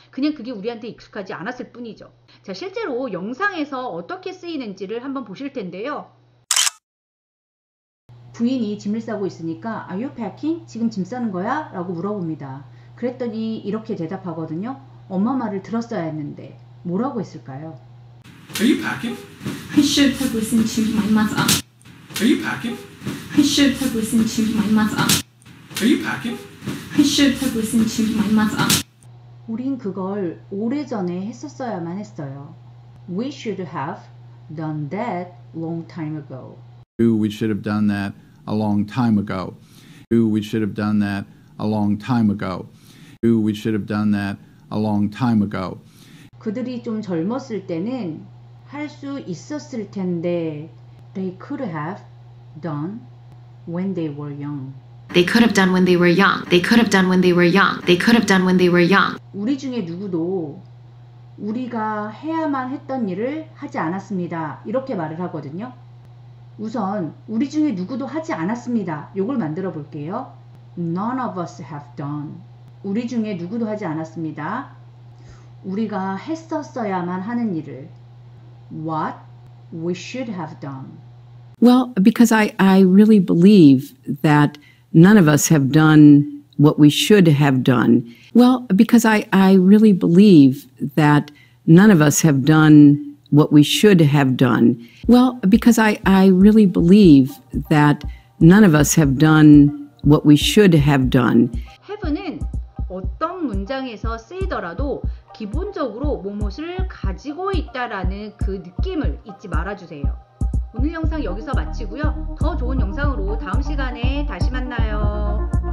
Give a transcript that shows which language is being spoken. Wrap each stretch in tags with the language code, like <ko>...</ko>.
<ko>그냥 그게 우리한테 익숙하지 않았을 뿐이죠. 자, 실제로 영상에서 어떻게 쓰이는지를 한번 보실 텐데요. 부인이 짐을 싸고 있으니까</ko> <en>Are you packing?</en> <ko>지금 짐 싸는 거야? 라고 물어봅니다. 그랬더니 이렇게 대답하거든요. 엄마 말을 들었어야 했는데. 뭐라고 했을까요?</ko> <en>Are you packing? I should have listened to my mother. Are you packing? I should have listened to my mother. Are you packing? I should have listened to my mother.</en> <ko>우린 그걸 오래전에 했었어야만 했어요.</ko> <en>We should have done that long time ago. We should have done that a long time ago. We should have done that a long time ago. We should have done that a long time ago.</en> <ko>그들이 좀 젊었을 때는 할 수 있었을 텐데</ko> <en>They could have done when they were young. They could have done when they were young. They could have done when they were young. They could have done when they were young.</en> <ko>우리 중에 누구도 우리가 해야만 했던 일을 하지 않았습니다. 이렇게 말을 하거든요. 우선 우리 중에 누구도 하지 않았습니다. 이걸 만들어 볼게요.</ko> <en>None of us have done.</en> <ko>우리 중에 누구도 하지 않았습니다. 우리가 했었어야만 하는 일을.</ko> <en>What we should have done. Well, because I really believe that none of us have done what we should have done. Well, because I really believe that none of us have done what we should have done. Well, because I really believe that none of us have done what we should have done.</en> <ko>Have는 어떤 문장에서 쓰이더라도 기본적으로 무엇을 가지고 있다라는 그 느낌을 잊지 말아주세요. 오늘 영상 여기서 마치고요. 더 좋은 영상으로 다음 시간에 다시 만나요.</ko>